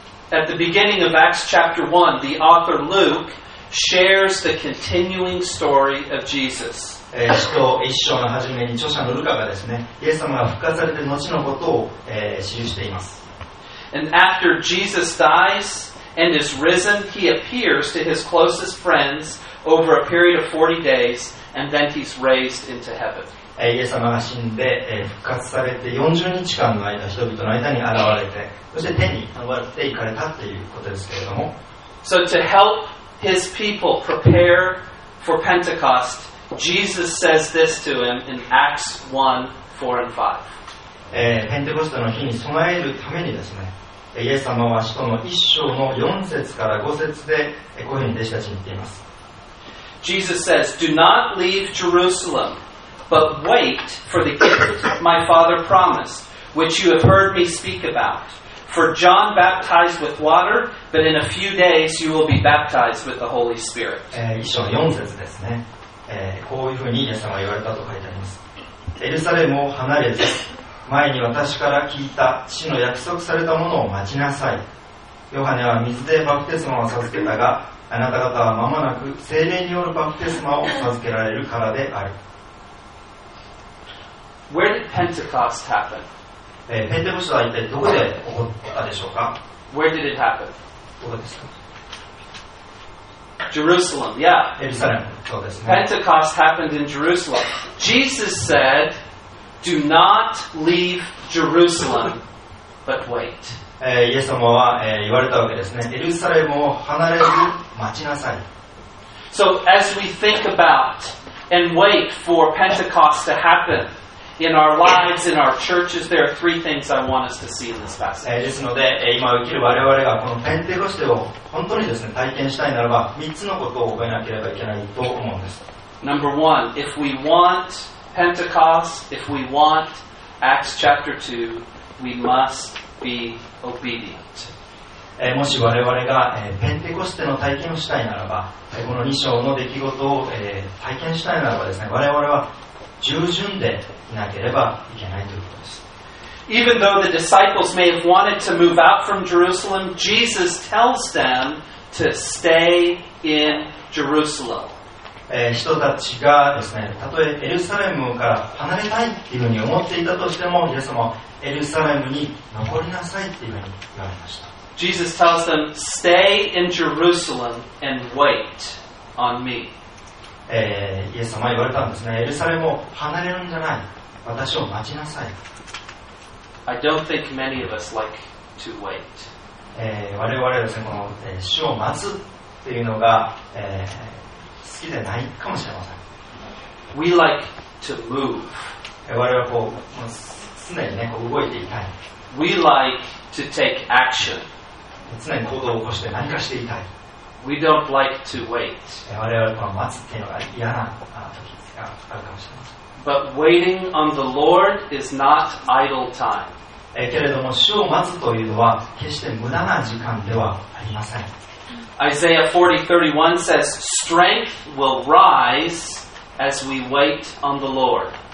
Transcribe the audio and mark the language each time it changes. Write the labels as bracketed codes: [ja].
[en] At the beginning of Acts chapter 1, the author Luke shares the continuing story of Jesus. [ja] 使徒一章の初めに著者のルカがですね、イエス様が復活されて後のことを、記しています。 [en] And after Jesus dies and is risen, he appears to his closest friends over a period of 40 days, and then he's raised into heaven. [ja] イエス様が死んで復活されて40日間の間人々の間に現れてそして天に昇っていかれたということですけれども [en] So to help his people prepare for Pentecost Jesus says this to him in Acts 1:4-5 [ja] ペンテコステの日に備えるためにですねイエス様は使徒の一章の4節から5節でこういうふうに弟子たちに言っています [en] Jesus says Do not leave JerusalemBut wait for the gift my father promised, which you have heard me speak about. For John baptized with water, but in a few days you will be baptized with the Holy Spirit. [ja] 一章の4節ですね。こういうふうにイエス様が言われたと書いてあります。エルサレムを離れず、前に私から聞いた父の約束されたものを待ちなさい。ヨハネは水でバプテスマを授けたが、あなた方は間もなく聖霊によるバプテスマを授けられるからである。 [en] Where did Pentecost happen? [ja] ペンテコステは一体どこで起こったでしょうか? [en] Where did it happen? [ja] どこですか? [en] Jerusalem, yeah. [ja] エルサレム、そうですね。 [en] Pentecost happened in Jerusalem. Jesus said, Do not leave Jerusalem, but wait. [ja] イエス様は言われたわけですね。エルサレムを離れず待ちなさい。 [en] So as we think about and wait for Pentecost to happen, in our lives, in our churches, there are three things I want us to see in this passage. [ja] ですので、今生きる我々がこのペンテコステを本当にですね、体験したいならば、3つのことを覚えなければいけないと思うんです。 [en] Number one, if we want Pentecost, if we want Acts chapter 2, we must be obedient. [ja] もし我々がペンテコステの体験をしたいならば、この2章の出来事を体験したいならばですね、我々は従順でいなければいけないということです。 [en] Even though the disciples may have wanted to move out from Jerusalem, Jesus tells them to stay in Jerusalem. [ja] 人たちがですね、たとえエルサレムから離れたいというふうに思っていたとしても、イエス様はエルサレムに残りなさいというふうに言われました。 [en] Jesus tells them, stay in Jerusalem and wait on me. [ja] イエス様は言われたんですね。エルサレムを離れるんじゃない。私を待ちなさい。 [en] I don't think many of us like to wait. [ja] 我々はですね、この死を待つというのが好きでないかもしれません。 [en] We like to move. [ja] 我々はこう、もう常にね、こう動いていたい。 [en] We like to take action. [ja] 常に行動を起こして何かしていたい。 [en] We don't like to wait. [ja] 我々は待つというのが嫌な時があるかもしれません。 [en] But waiting on the Lord is not idle time. [ja] けれども主を待つというのは決して無駄な時間ではありません。 [en] Isaiah 40:31 says, Strength will rise as we wait on the Lord.